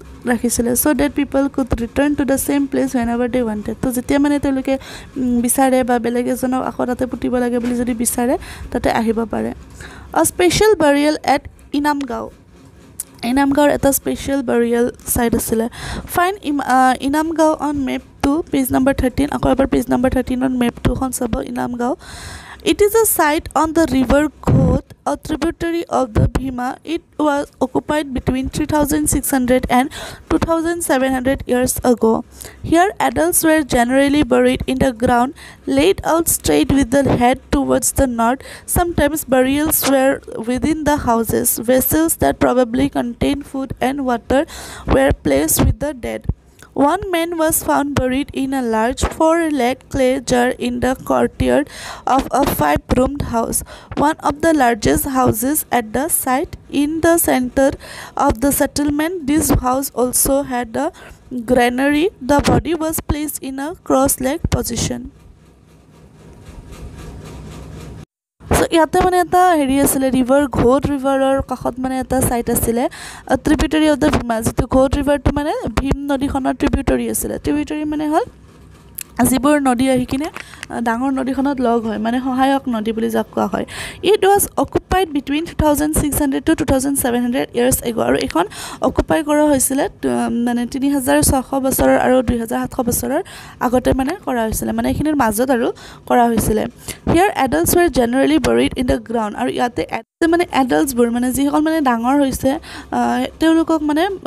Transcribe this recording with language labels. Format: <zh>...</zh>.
<as>ৰাখিছিলে</as> <en>so' that people could return to the same place whenever they wanted</en> <as>তো যেতিয়া মানে তেওঁলোকে বিচাৰে বা বেলেগ এজনক আকৌ তাতে পুতিব লাগে বুলি যদি বিচাৰে তাতে আহিব পাৰে</as> <en>a special burial at Inamgaon</en> <as>ইনামগাঁৱৰ এটা স্পেচিয়েল বাৰিয়েল চাইট আছিলে fine ইনামগাঁও on map two page number 13 আকৌ এবাৰ পেজ নম্বৰ 13 অন মেপ টুখন চাব ইনামগাঁও</as> <en>It is a site on the river Khorthepeek a tributary of the Bhima. It was occupied between 3600 and 2700 years ago. Here, adults were generally buried in the ground, laid out straight with the head towards the north. Sometimes burials were within the houses. Vessels that probably contained food and water were placed with the dead. One man was found buried in a large four-leg clay jar in the courtyard of a five-roomed house, one of the largest houses at the site. In the center of the settlement, this house also had a granary. The body was placed in a cross-leg position.</en> <as>তো ইয়াতে মানে এটা হেৰি আছিলে river ঘোট ৰিভাৰৰ কাষত মানে এটা site আছিলে ট্ৰিবিউটৰী অফ দ্য ভীমা যিটো ঘোট ৰিভাৰটো মানে ভীম নদীখনৰ ট্ৰিবিউটৰী আছিলে ট্ৰিবিউটৰী মানে হ'ল যিবোৰ নদী আহি কিনে ডাঙৰ নদীখনত লগ হয় মানে সহায়ক নদী বুলি যাক কোৱা হয়</as> <en>it was occupied between 2600 to 2700 years ago'</en> <as>আৰু এইখন অকুপাই কৰা হৈছিলে মানে 3600 বছৰৰ আৰু 2700 বছৰৰ আগতে মানে কৰা হৈছিলে মানে এইখিনিৰ মাজত আৰু কৰা হৈছিলে</as> <en>here adults were generally buried in the ground</en> <as>আৰু ইয়াতে মানে এডাল্টছবোৰ মানে যিসকল মানে ডাঙৰ হৈছে তেওঁলোকক মানে</as>